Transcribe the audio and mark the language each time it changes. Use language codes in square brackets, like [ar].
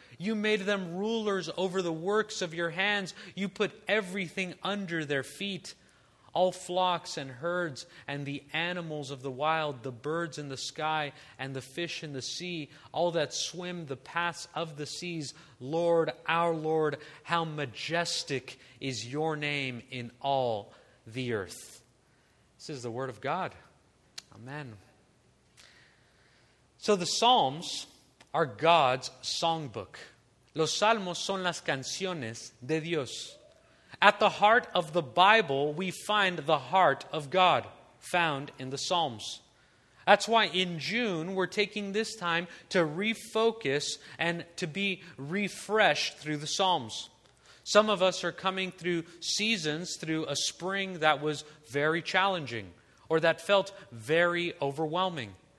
[en] You made them rulers over the works of your hands. You put everything under their feet, all flocks and herds and the animals of the wild, the birds in the sky and the fish in the sea, all that swim the paths of the seas. Lord, our Lord, how majestic is your name in all the earth. This is the word of God. Amen. So the Psalms are God's songbook. [es] Los Salmos son las canciones de Dios. [en] At the heart of the Bible, we find the heart of God found in the Psalms. That's why in June, we're taking this time to refocus and to be refreshed through the Psalms. Some of us are coming through seasons, through a spring that was very challenging or that felt very overwhelming.